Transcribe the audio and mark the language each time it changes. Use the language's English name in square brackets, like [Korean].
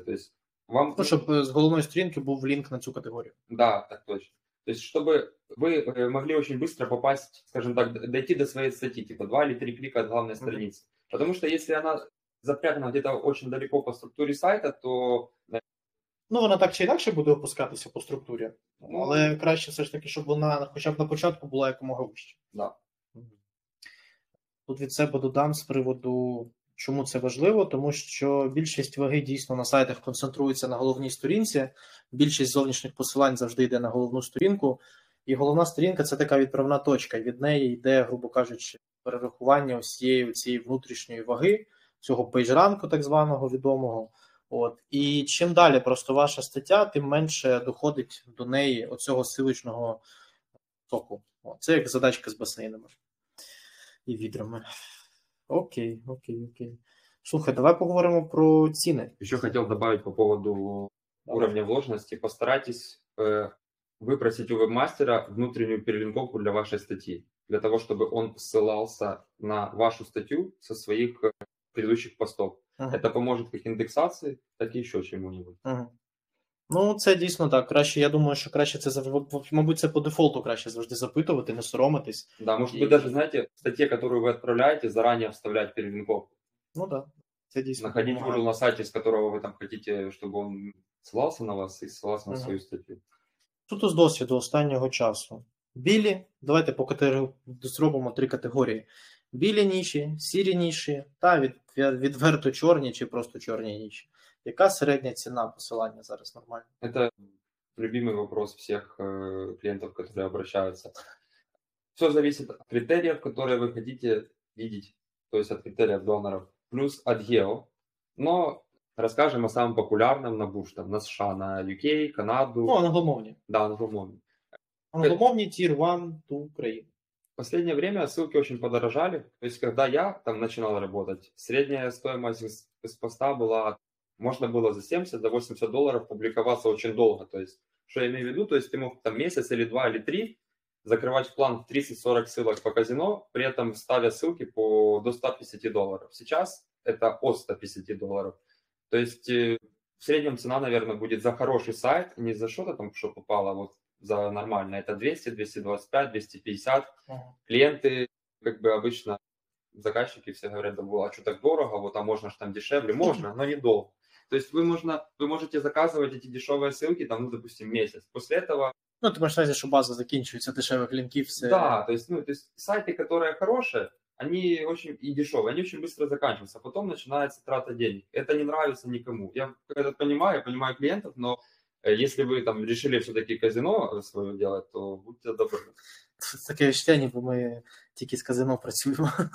[Russian] То есть, вам Ну, нужно... [Ukrainian] щоб з головної сторінки був лінк на цю категорію. [Russian] Да, так точно. То есть, чтобы вы могли очень быстро попасть, скажем так, дойти до своей статьи, типа 2 или 3 клика от главной страницы. Потому что если она запрятана где-то очень далеко по структуре сайта, то, [Ukrainian] Ну, вона так чи інакше буде опускатися по структурі, ну, але краще все ж таки, щоб вона хоча б на початку була якомога вища. [Russian] да. [Ukrainian] Тут від себе додам з приводу. Чому це важливо? Тому що більшість ваги дійсно на сайтах концентрується на головній сторінці. Більшість зовнішніх посилань завжди йде на головну сторінку. І головна сторінка це така відправна точка. Від неї йде, грубо кажучи, перерахування усієї цієї внутрішньої ваги, цього пейджранку, так званого відомого. От. І чим далі просто ваша стаття, тим менше доходить до неї оцього силочного току. От. Це як задачка з басейнами і відрами. Окей. Слухай, давай поговоримо про ціни. [Russian] Еще хотел добавить по поводу Давай. уровня вложенности. Постарайтесь выпросить у веб-мастера внутреннюю перелинковку для вашей статьи, для того, чтобы он ссылался на вашу статью со своих предыдущих постов. Это поможет как индексации, так и еще чему-нибудь. [Ukrainian] Ну, це дійсно так. Краще, я думаю, що краще це, мабуть, це по дефолту краще завжди запитувати, не соромитись. [Russian] Да, может быть, даже, [Ukrainian] І [Russian] знаете, в статье, которую вы отправляете, заранее вставлять перелинковку. [Ukrainian] ну так, да, це дійсно [Russian] Находить URL [Ukrainian] допомагає. [Russian] на сайте, [Ukrainian] з которого ви там хотіте, щоб він ссылався на вас і ссылався на свою статтю. Тут з досвіду останнього часу. Білі, давайте зробимо три категорії: білі ніші, сірі ніші та відверто чорні чи просто чорні ніші. Яка середня ціна посилання зараз нормальна? [Russian] Это любимый вопрос всех клиентов, которые обращаются. Все зависит от критериев, которые вы хотите видеть, то есть от критериев доноров, плюс от гео. Но расскажем о самом популярном на буш, там, на США, на UK, Ну, [Ukrainian] Канаду, да, англомовні. англомовні Tier 1 ту країни. [Russian] Последнее время ссылки очень подорожали. То есть, когда я там начинал работать, средняя стоимость из поста была, можно было за 70 до $80 публиковаться очень долго. То есть, что я имею в виду, то есть ты мог там месяц или два или три закрывать план в 30-40 ссылок по казино, при этом ставя ссылки по до $150. Сейчас это от $150. То есть в среднем цена, наверное, будет за хороший сайт, не за что-то там, что попало, а вот за нормальное. Это 200, 225, 250. Клиенты, как бы обычно, заказчики все говорят, да было, а что так дорого, вот а можно же там дешевле. Можно, но недолго. То есть вы можете заказывать эти дешевые ссылки, там, ну, допустим, месяц. После этого... [Ukrainian] Ну, ти маєш на увазі, що база закінчується, дешевих лінків все. [Russian] Да, то есть, ну, то есть сайты, которые хорошие, они очень и дешевые, они очень быстро заканчиваются, а потом начинается трата денег. Это не нравится никому. Я это понимаю, я понимаю клиентов, но если вы там решили все-таки казино свое делать, то будьте добры. [Ukrainian] Таке ощущення, бо ми тільки з казино працюємо.